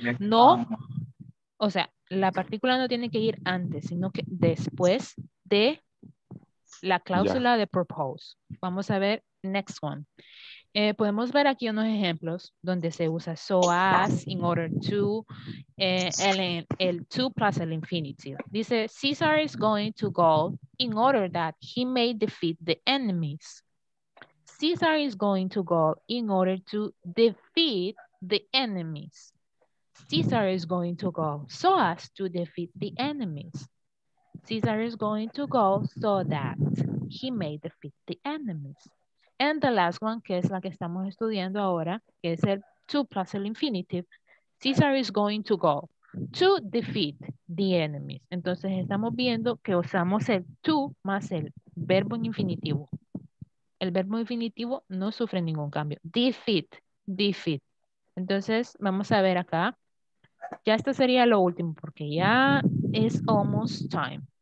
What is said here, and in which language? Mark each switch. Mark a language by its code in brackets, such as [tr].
[es] No, o sea, la partícula no tiene que ir antes, sino que después de la cláusula de purpose. Vamos a ver next one. Podemos ver aquí unos ejemplos donde se usa so as, in order to, el to plus el infinitive. [en] Dice, Caesar is going to Gaul in order that he may defeat the enemies. Caesar is going to Gaul in order to defeat the enemies. Caesar is going to Gaul so as to defeat the enemies. Caesar is going to Gaul so that he may defeat the enemies. And the last one, [es] que es la que estamos estudiando ahora, que es el to plus el infinitive, [en] Caesar is going to go to defeat the enemies. [es] Entonces estamos viendo que usamos el to más el verbo en infinitivo. El verbo infinitivo no sufre ningún cambio. Defeat, defeat. Entonces vamos a ver acá. Ya esto sería lo último porque ya es [en] almost time.